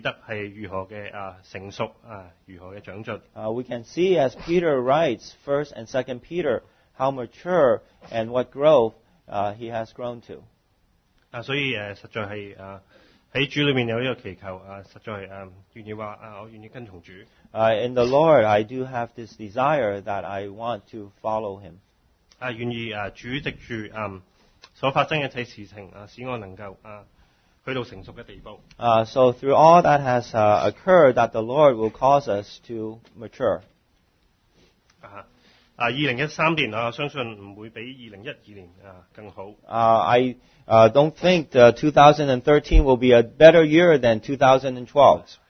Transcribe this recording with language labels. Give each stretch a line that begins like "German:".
Cantonese: 實在係喺當佢寫彼得一語書嘅時候，實在見到彼得係如何嘅成熟，如何嘅長進。
English: We can see as Peter writes 1st and 2nd Peter how mature and what growth he has grown to.
Cantonese: 所以實在係喺主裏面有呢個祈求，實在願意話我願意跟從主。
English: In the Lord, I do have this desire that I want to follow him.
Cantonese: 願意主藉住所發生嘅一切事情，使我能夠去到成熟嘅地步。
English: So through all that has occurred, that the Lord will cause us to mature.
Cantonese: 2013年， 我相信唔會比2012年更好。
English: Don't think 2013 will be a better year than 2012.